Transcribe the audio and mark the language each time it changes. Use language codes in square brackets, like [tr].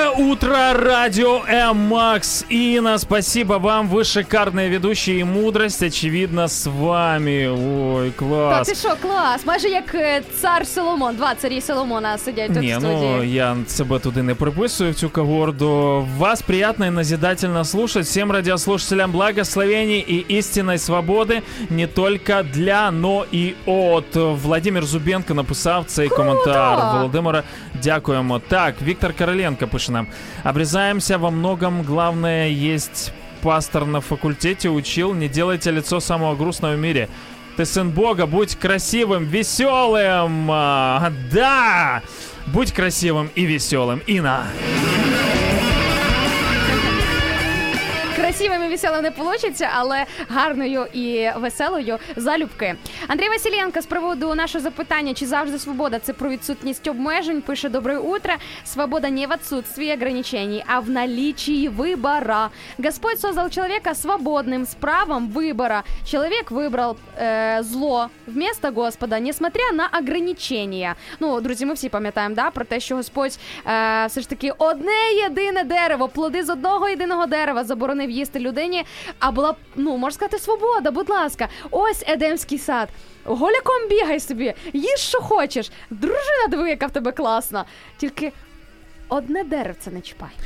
[ru] утро, Радио М, Макс, Инна, спасибо вам, вы шикарные ведущие, и мудрость, очевидно, с вами, ой, класс. [uk] Так, ты шо, клас, майже як цар Соломон, два царі Соломона сидять тут в студії. Ні, ну, я себе туди не приписую, в цю когорду. [ru] Вас приятно и назидательно слушать, всем радиослушателям благословений и истинной свободы, не только для, но и от. [uk] Владимир Зубенко написав цей круто коментар. Володимира, дякуємо. Так, Виктор Короленко пише нам. [ru] Обрезаемся во многом, главное есть пастор на факультете учил, не делайте лицо самого грустного в мире. Ты сын Бога, будь красивым, веселым. Да, будь красивым и веселым, Инна. [uk] Красивим і веселим не вийде, але гарною і веселою залюбки. Андрій Василенко з приводу нашого запитання, чи завжди свобода – це про відсутність обмежень, пише «Доброе утро». [ru] Свобода не в відсутстві ограничений, а в наличии вибора. Господь создал человека свободным с правом выбора. Человек выбрал зло вместо Господа, несмотря на ограничения. [uk] Ну, друзі, ми всі пам'ятаємо, да, про те, що Господь все ж таки одне єдине дерево, плоди з одного єдиного дерева заборонив їсти людині, а була, ну, можна сказати, свобода, будь ласка. Ось Едемський сад. Голяком бігай собі, їж, що хочеш. Дружина, диви, яка в тебе класна. Тільки одне деревце не чіпай.